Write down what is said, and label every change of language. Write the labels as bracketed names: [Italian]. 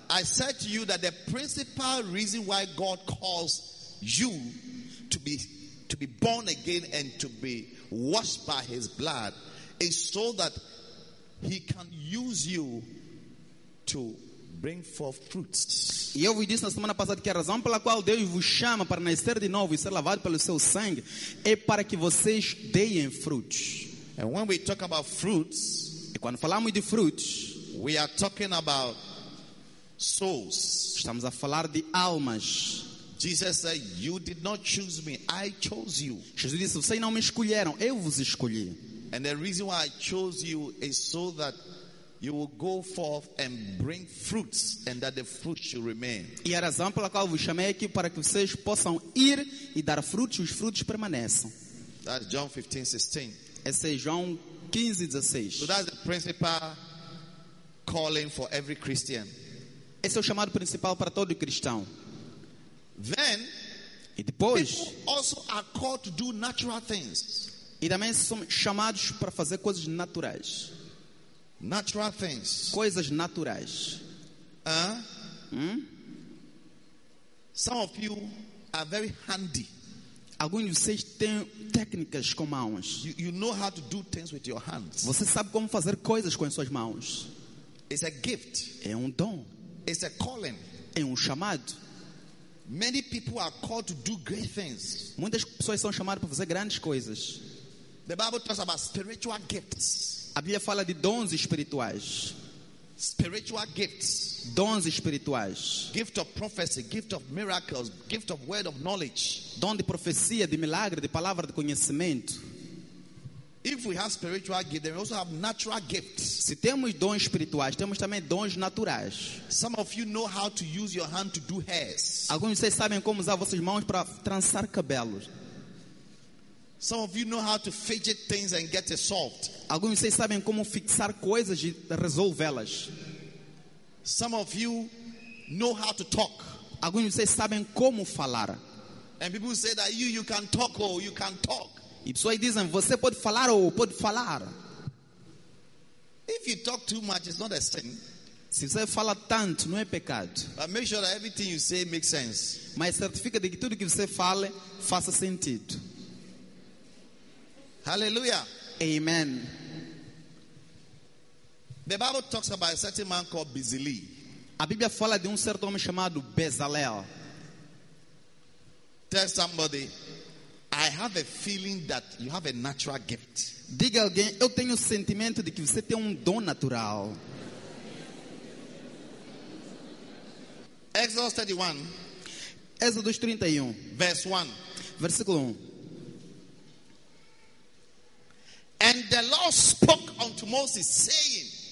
[English] I said to you that the principal reason why God calls you to be born again and to be washed by his blood is so that he can use you to bring forth fruits. [Portuguese] E eu vos disse na semana passada que a razão pela qual Deus vos chama para nascer de novo e ser lavado pelo seu sangue é para que vocês deem frutos. [English] And when we talk about fruits, [Portuguese] e quando falamos de frutos, [English] we are talking about souls. [Portuguese] Estamos a falar de almas. [English] Jesus said, "You did not choose me; I chose you." [Portuguese] Jesus disse, vocês não me escolheram; eu vos escolhi. [English] And the reason why I chose you is so that you will go forth and bring fruits, and that the fruits should remain. [Portuguese] E a razão pela qual vos chamei aqui para que vocês possam ir e dar frutos, e os frutos permaneçam. [English] That's John 15:16. [Portuguese] Esse é João 15:16. [English] So that's the principal calling for every Christian. [Portuguese] Esse é o chamado principal para todo cristão. [English] Then, [Portuguese] e depois, [English] people also are called to do natural things. [Portuguese] E também são chamados para fazer coisas naturais. [English] Natural things. [Portuguese] Coisas naturais. [English] Some of you are very handy. [Portuguese] Alguns de vocês têm técnicas com mãos. [English] You know how to do things with your hands. [Portuguese] Você sabe como fazer coisas com as suas mãos. [English] It's a gift. [Portuguese] É um dom. [English] It's a calling. [Portuguese] É um chamado. [English] Many people are called to do great things. [Portuguese] Muitas pessoas são chamadas para fazer grandes coisas. [English] The Bible talks about spiritual gifts. [Portuguese] A Bíblia fala de dons espirituais. [English] Spiritual gifts. [Portuguese] Dons espirituais. [English] Gift of prophecy, gift of miracles, gift of word of knowledge. [Portuguese] Dom de profecia, de milagre, de palavra de conhecimento. [English] If we have spiritual gifts, then we also have natural gifts. [Portuguese] Se temos dons espirituais, temos também dons naturais. [English] Some of you know how to use your hand to do hairs. [Portuguese] Alguns de vocês sabem como usar suas mãos para trançar cabelos. [English] Some of you know how to fidget things and get it solved. [Portuguese] Alguns de vocês sabem como fixar coisas e resolvê-las. [English] Some of you know how to talk. [Portuguese] Alguns de vocês sabem como falar. [English] And people say that you can talk or you can talk. [Portuguese] E pessoas dizem, você pode falar ou pode falar. [English] If you talk too much, it's not a sin. [Portuguese] Se você fala tanto, não é pecado. [English] But make sure that everything you say makes sense. [Portuguese] Mas certifica de que tudo que você fala faça sentido. [English] Hallelujah. [Portuguese] Amen. [English] The Bible talks about a certain man called Bezalel. [Portuguese] A Bíblia fala de certo homem chamado Bezalel. [English] Tell somebody, I have a feeling that you have a natural gift. [Portuguese] Diga a alguém, eu tenho o sentimento de que você tem dom natural. [English] Exodus 31. [Portuguese] Êxodo 31. [English] Verse 1. [Portuguese] Versículo 1. [English] And the Lord spoke unto Moses, saying.